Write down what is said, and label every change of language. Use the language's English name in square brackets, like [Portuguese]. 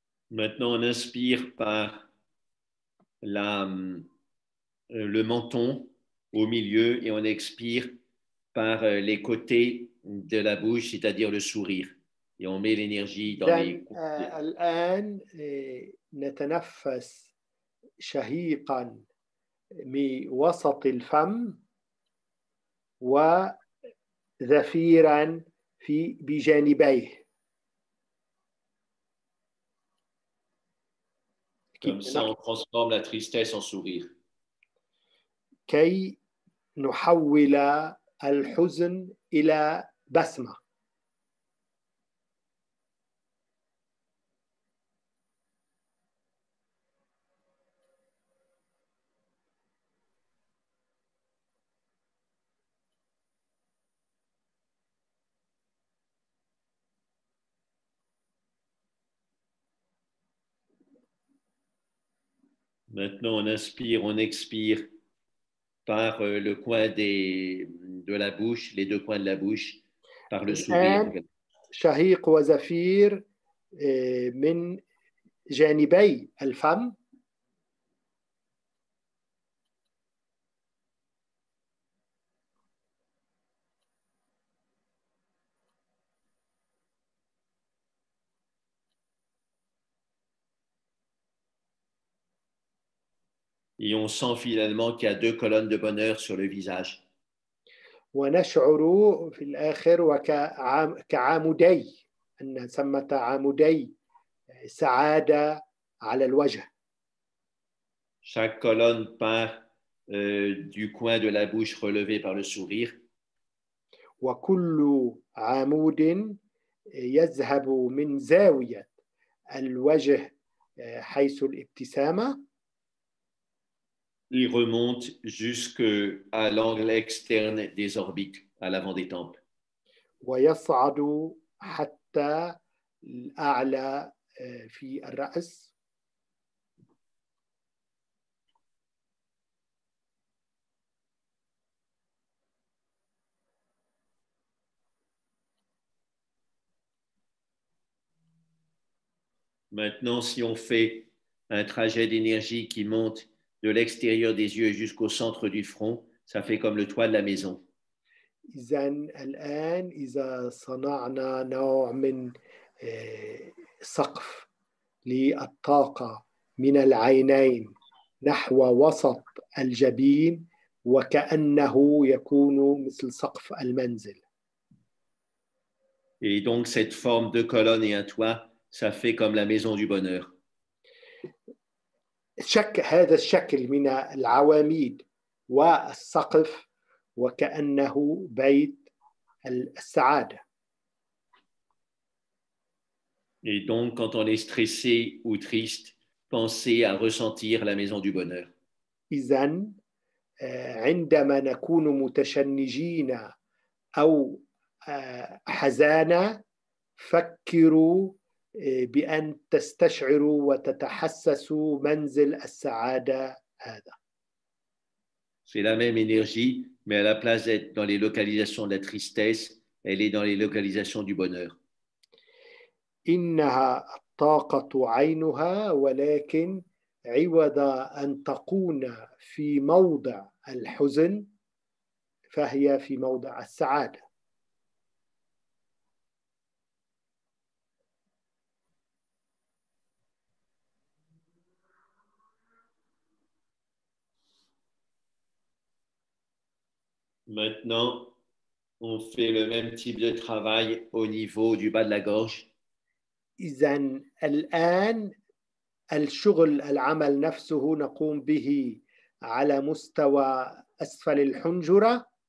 [French] Maintenant, on inspire par le menton au milieu et on expire par les côtés de la bouche, c'est-à-dire le sourire. Et on met l'énergie dans les... [Arabic] الآن نتنفس شهيقا من وسط الفم وزفيرا في بجانبيه. [French] Comme ça, on transforme la tristesse en sourire. [Arabic] كي نحول الحزن إلى بسمة. [French] Maintenant, on inspire, on expire par le coin de la bouche, les deux coins de la bouche, par le sourire. [Arabic] شهيق وزفير من جانبي الفم. [French] Et on sent finalement qu'il y a deux colonnes de bonheur sur le visage. [Arabic] ونشعر في الآخر كعامودي أن ثمة عامودي سعادة على الوجه. [French] Chaque colonne part du coin de la bouche relevée par le sourire. [Arabic] وكل عمود يذهب من زاوية الوجه حيث الابتسامة. [French] Il remonte jusque à l'angle externe des orbites, à l'avant des tempes. [Arabic] ويصعد حتى الأعلى في الرأس. [French] Maintenant, si on fait un trajet d'énergie qui monte de l'extérieur des yeux jusqu'au centre du front, ça fait comme le toit de la maison. [Arabic] إذن الآن إذا صنعنا نوع من سقف للطاقة من العينين نحو وسط الجبين وكأنه يكون مثل سقف المنزل. [French] Et donc cette forme de colonne et un toit, ça fait comme la maison du bonheur. [Arabic] هذا الشكل من العواميد والسقف وكأنه بيت السعادة. [French] Et donc, quand on est stressé ou triste, pensez à ressentir la maison du bonheur. [Arabic] إذن عندما نكون متشنجين أو حزانا فكروا بأن تستشعروا وتتحسسوا منزل السعادة هذا. [French] C'est la même énergie, mais à la place d'être dans les localisations de la tristesse, elle est dans les localisations du bonheur. [Arabic] إنها الطاقة عينها ولكن عوض أن تكون في موضع الحزن فهي في موضع السعادة. [French] Maintenant, on fait le même type de travail au niveau du bas de la gorge. [Arabic] إذن الآن الشغل العمل نفسه نقوم به على مستوى أسفل الحنجرة.